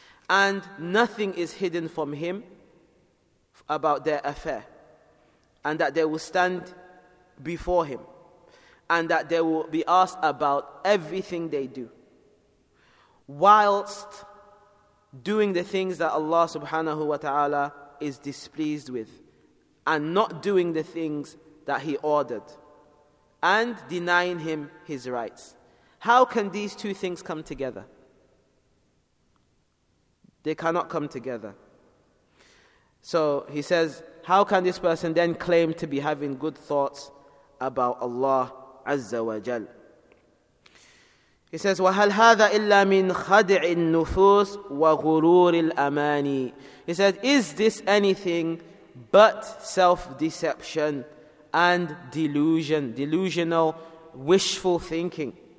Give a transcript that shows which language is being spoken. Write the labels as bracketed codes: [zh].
[en] And nothing is hidden from him about their affair, and that they will stand before him, and that they will be asked about everything they do whilst doing the things that Allah subhanahu wa ta'ala is displeased with, and not doing the things that he ordered, and denying him his rights. How can these two things come together? They cannot come together. So he says, how can this person then claim to be having good thoughts about Allah Azza wa Jal? He says, [ar] وَهَلْ هَذَا إِلَّا مِنْ خَدْعِ النُّفُوسِ وَغُرُورِ الْأَمَانِ. [en] He says, is this anything but self-deception and delusion, delusional wishful thinking.